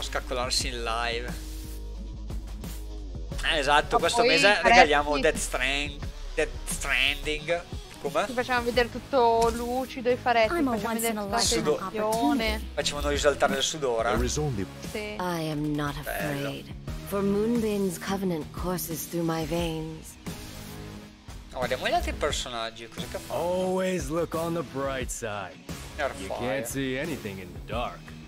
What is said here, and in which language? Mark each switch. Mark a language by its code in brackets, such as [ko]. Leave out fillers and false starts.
[it] Scaccolarsi in live. Esatto, ma questo mese regaliamo Death Stranding. Come? Ti facciamo vedere tutto lucido i faretti, ti facciamo vedere tutta la sensazione. Facciamo risaltare il sudore. [en] Sì. I am not afraid. For Moonbeam's covenant courses through my veins. [it] Guardiamo gli altri personaggi, cosa che fanno? [en] Always look on the bright side. You can't see anything in the dark.